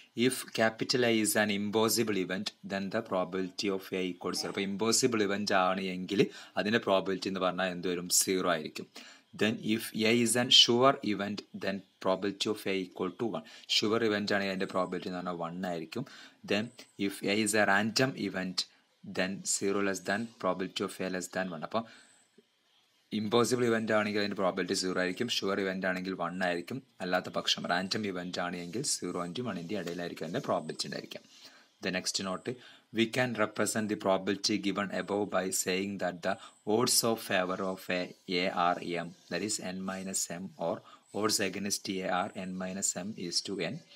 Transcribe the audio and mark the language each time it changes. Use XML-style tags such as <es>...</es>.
<en>If capital A is an impossible event, then the probability of A equal to 0.</en> <ml>അപ്പോൾ impossible event ആണ് എങ്കിൽ അതിൻ്റെ probability എന്ന് പറഞ്ഞാൽ എന്ത് വരും? 0 ആയിരിക്കും.</ml> <en>Then, if A is an sure event, then probability of A equal to 1.</en> <ml>Sure event ആണ് അതിൻ്റെ probability എന്ന് പറഞ്ഞാൽ 1 ആയിരിക്കും.</ml> <en>Then, if A is a random event, then 0 less than probability of A less than 1.</en> <ml>അപ്പോൾ impossible event ആണെങ്കിൽ അതിൻ്റെ probability 0 ആയിരിക്കും, sure event ആണെങ്കിൽ 1 ആയിരിക്കും, അല്ലാത്ത പക്ഷം റാൻഡം ഇവൻ്റ് ആണെങ്കിൽ 0 and 1 ഇടയിലായിരിക്കും അതിൻ്റെ പ്രോബിലിറ്റി ഉണ്ടായിരിക്കാം.</ml> <en>The next note, we can represent the probability given above by saying that the odds of favour of A are M, that is N minus M, or odds against A are N minus M is to N.</en>